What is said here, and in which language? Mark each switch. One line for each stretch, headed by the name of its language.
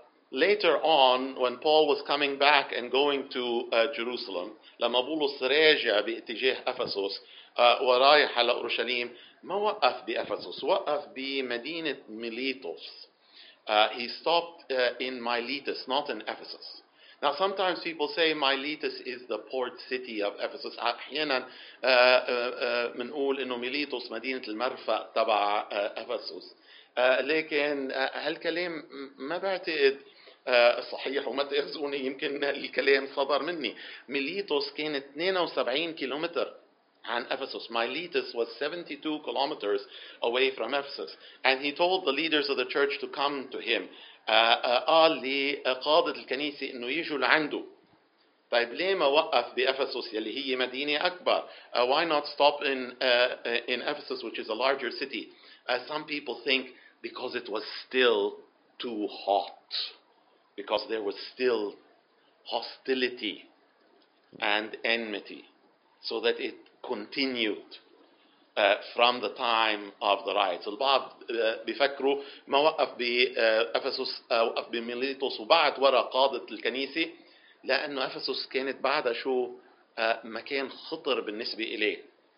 English: Later on, when Paul was coming back and going to Jerusalem,
Arabic: لما بولس راجع باتجاه أفسس ورايح على أورشليم ما وقف بأفسس وقف بمدينة ميليتوس.
English: He stopped in Miletus, not in Ephesus. Now, sometimes people say Miletus is the port city of Ephesus.
Arabic: أحيانا منقول إنه ميليتوس مدينة المرفأ تبع أفسس. لكن هالكلام ما بعتقد صحيح وما تأخذوني يمكن الكلام صدر مني. ميليتوس كانت 72 كيلومتر عن أفسس.
English: Miletus was 72 kilometers away from Ephesus. And he told the leaders of the church to come to him.
Arabic: قال لقادة الكنيسة إنه يجوا لعنده. طيب ليه ما وقف بأفسس يلي هي مدينة أكبر؟
English: Why not stop in Ephesus, which is a larger city? Some people think because it was still too hot, because there was still hostility and enmity, so that it continued from the time of the riots.
Arabic: البعض بيفكروا ما وقف بأفسس وقف بميليتوس وبعد وراء قادة الكنيسة لأنه أفسس كانت بعدها شو مكان خطر بالنسبة إليه.